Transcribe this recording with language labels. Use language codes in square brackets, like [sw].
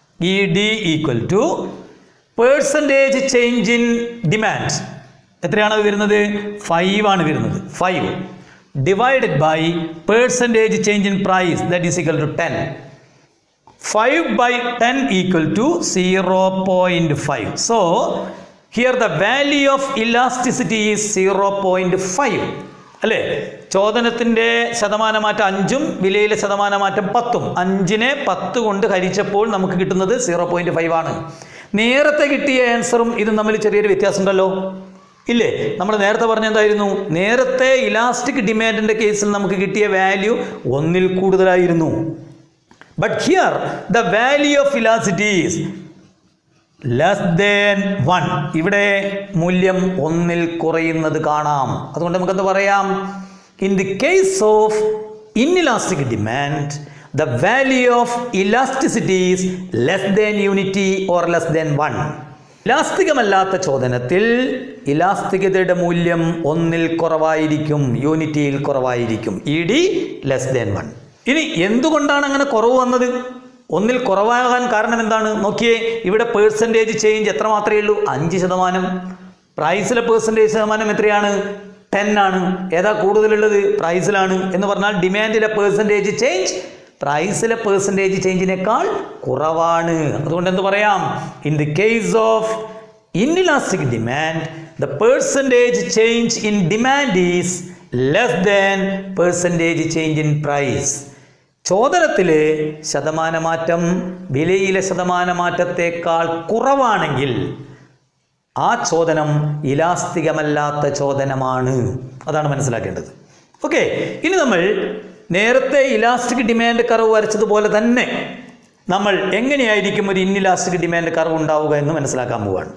[en] E D equal to percentage change in demand, [ml] എത്രയാണ് അത് വരുന്നത്? [en] 5 divided by percentage change in price, that is equal to 10. 5 by 10 = 0.5. So, here the value of elasticity is 0.5. [ml] അല്ലേ, ചോദനത്തിൻ്റെ ശതമാന മാറ്റം 5 വിലയിലെ ശതമാന മാറ്റം 10 അഞ്ചിനെ 10 കൊണ്ട് ഹരിച്ചപ്പോൾ നമുക്ക് കിട്ടുന്നത് 0.5 ആണ്. നേരത്തെ കിട്ടിയ ആൻസറും ഇതും തമ്മിൽ ചെറിയൊരു വ്യത്യാസമുണ്ടല്ലോ ഇല്ലേ. നമ്മൾ നേരത്തെ പറഞ്ഞെന്തായിരുന്നു? നേരത്തെ ഇലാസ്റ്റിക് ഡിമാൻഡിൻ്റെ കേസിൽ നമുക്ക് കിട്ടിയ വാല്യൂ ഒന്നിൽ കൂടുതലായിരുന്നു. [en] But here, the value of elasticity is less than 1. [ml] ഇവിടെ മൂല്യം ഒന്നിൽ കുറയുന്നത് കാണാം. അതുകൊണ്ട് നമുക്കെന്ത് പറയാം? [en] In the case of inelastic demand, the value of elasticity is less than unity or less than 1. [ml] ഇലാസ്തികമല്ലാത്ത ചോദനത്തിൽ ഇലാസ്തികതയുടെ മൂല്യം ഒന്നിൽ കുറവായിരിക്കും, യൂണിറ്റിയിൽ കുറവായിരിക്കും. [en] ED less than 1. [ml] ഇനി എന്തുകൊണ്ടാണ് അങ്ങനെ കുറവ് വന്നത്? ഒന്നിൽ കുറവാകാൻ കാരണം എന്താണ്? നോക്കിയേ, ഇവിടെ പേഴ്സൻറ്റേജ് ചേഞ്ച് എത്ര മാത്രമേ ഉള്ളൂ? 5%. പ്രൈസിലെ പേഴ്സൻറ്റേജ് ശതമാനം എത്രയാണ്? 10. ഏതാ കൂടുതലുള്ളത്? പ്രൈസിലാണ്. എന്ന് പറഞ്ഞാൽ ഡിമാൻഡിലെ പേഴ്സൻറ്റേജ് ചേഞ്ച് പ്രൈസിലെ പേഴ്സൻറ്റേജ് ചേഞ്ചിനേക്കാൾ കുറവാണ്. അതുകൊണ്ട് എന്ത് പറയാം? [en] In the case of inelastic demand, the percentage change in demand is less than percentage change in price. [ml] ചോദനത്തിൽ ശതമാനമാറ്റം വിലയിലെ ശതമാനമാറ്റത്തേക്കാൾ കുറവാണെങ്കിൽ ആ ചോദനം ഇലാസ്തികമല്ലാത്ത ചോദനമാണ്. അതാണ് മനസ്സിലാക്കേണ്ടത്. ഓക്കെ, ഇനി നമ്മൾ നേരത്തെ ഇലാസ്റ്റിക് ഡിമാൻഡ് കർവ് വരച്ചതുപോലെ തന്നെ നമ്മൾ എങ്ങനെയായിരിക്കും ഒരു ഇൻഇലാസ്റ്റിക് ഡിമാൻഡ് കർവ് ഉണ്ടാവുക എന്ന് മനസ്സിലാക്കാൻ പോവാണ്.